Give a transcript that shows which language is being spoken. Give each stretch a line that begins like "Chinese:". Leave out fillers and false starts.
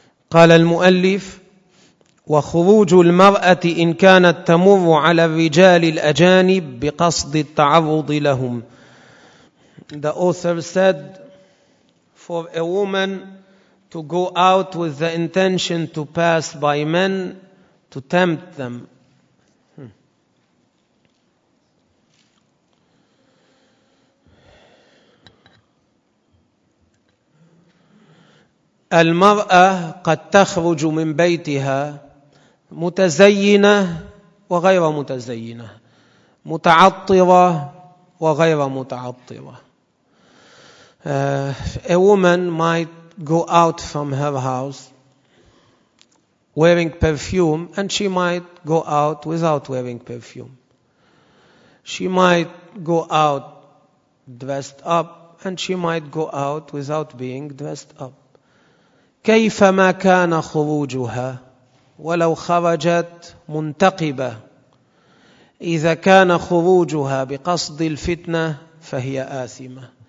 Arabic: قال المؤلف وخروج المرأة إن كانت تمر على الرجال الأجانب بقصد التعرض لهم.
English: The author said, for a woman to go out with the intention to pass by men to tempt them.
Arabic: المرأة قد تخرج من بيتها متزينة وغير متزينة, متعطرة وغير متعطرة.
English: A woman might go out from her house wearing perfume, and she might go out without wearing perfume. She might go out dressed up, and she might go out without being dressed up.
Arabic: كيفما كان خروجها ولو خرجت منتقبة إذا كان خروجها بقصد الفتنة فهي آثمة.